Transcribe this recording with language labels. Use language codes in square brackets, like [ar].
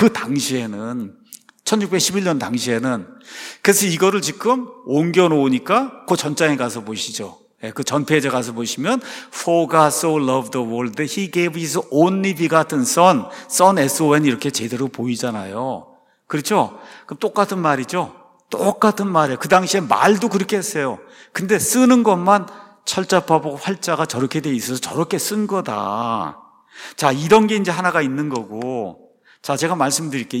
[ko] 그 당시에는 1611년 당시에는. 그래서 이거를 지금 옮겨놓으니까 그 전장에 가서 보시죠. 그 전페이지에 가서 보시면 [en] For God so loved the world He gave his only begotten son. [ko] Son, S-O-N 이렇게 제대로 보이잖아요. 그렇죠? 그럼 똑같은 말이죠. 똑같은 말이에요. 그 당시에 말도 그렇게 했어요. 근데 쓰는 것만 철자법하고 활자가 저렇게 돼 있어서 저렇게 쓴 거다. 자, 이런 게 이제 하나가 있는 거고. 자, 제가 말씀드릴게요.